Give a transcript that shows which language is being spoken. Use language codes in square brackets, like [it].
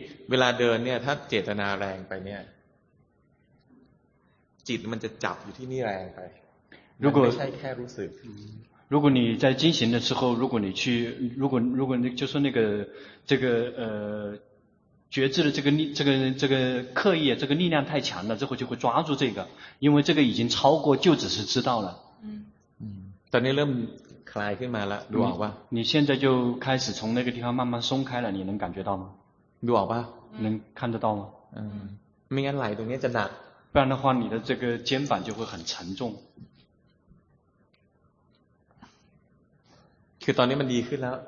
[th] เวลาเดินเนี่ยถ้าเจตนาแรงไปเนี่ยจิตมันจะจับอยู่ที่นี่แรงไป รู้ก็ ไม่ใช่แค่รู้สึก [zh] 如果你在进行的时候如果你去如果那就是那个这个觉知的这个刻意这个力量太强了之后就会抓住这个因为这个已经超过就只是知道了 [th] ตอนนี้เริ่มคลายขึ้นมาแล้วดูออกป่ะ [zh] 你现在就开始从那个地方慢慢松开了你能感觉到吗 [th] ดูออกป่ะ [zh] 能看得到吗 [th] ไม่งั้นไหล่ตรงนี้จะหนัก [zh] 不然的话你的这个肩膀就会很沉重 [th] คือตอนนี้มันดีขึ้นแล้ว